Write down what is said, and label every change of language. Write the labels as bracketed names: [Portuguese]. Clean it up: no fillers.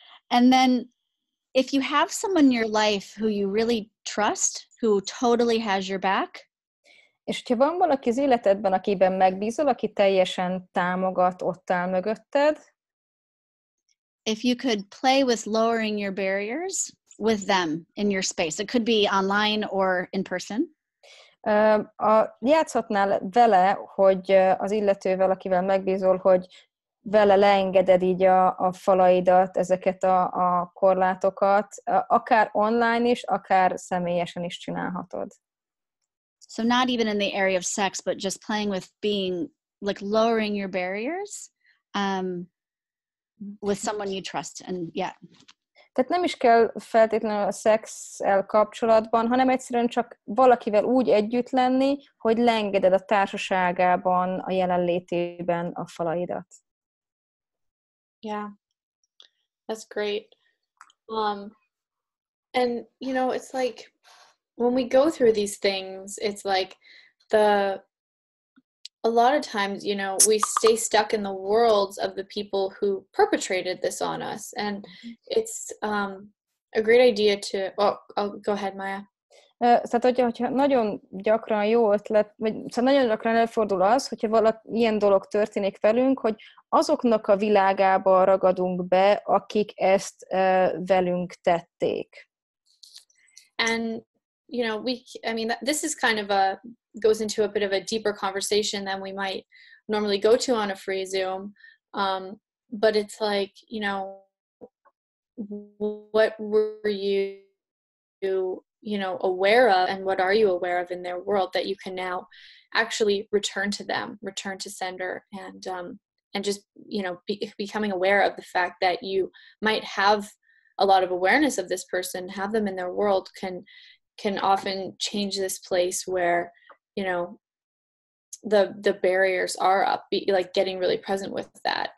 [English] And then, if you have someone in your life who you really trust, who totally has your back, [Hungarian] és hogyha van valaki az életedben, akiben megbízol, aki teljesen támogat, ott áll mögötted, [English] if you could play with lowering your barriers with them in your space, it could be online or in person. [Hungarian] Játszhatnál vele, hogy az illetővel, akivel megbízol, hogy vele leengeded így a falaidat, ezeket a korlátokat, akár online is, akár személyesen is csinálhatod. [English] So not even in the area of sex, but just playing with being, like lowering your barriers with someone you trust. And yeah. [Hungarian] Tehát nem is kell feltétlenül a szexel kapcsolatban, hanem egyszerűen csak valakivel úgy együtt lenni, hogy leengeded a társaságában, a jelenlétében a falaidat. [English] Yeah, that's great. And, you know, it's like, when we go through these things, it's like a lot of times, you know, we stay stuck in the worlds of the people who perpetrated this on us. And it's a great idea to, I'll go ahead, Maya. [Hungarian] Tehát, hogyha nagyon gyakran jó ötlet, vagy szóval nagyon gyakran elfordul az, hogyha valami ilyen dolog történik velünk, hogy azoknak a világába ragadunk be, akik ezt velünk tették. [English] And, you know, this is kind of goes into a bit of a deeper conversation than we might normally go to on a free Zoom, but it's like, you know, what were you, you know, aware of, and what are you aware of in their world that you can now actually return to them, return to sender, and just, you know, becoming aware of the fact that you might have a lot of awareness of this person, have them in their world, can often change this place where, you know, the barriers are up, like getting really present with that.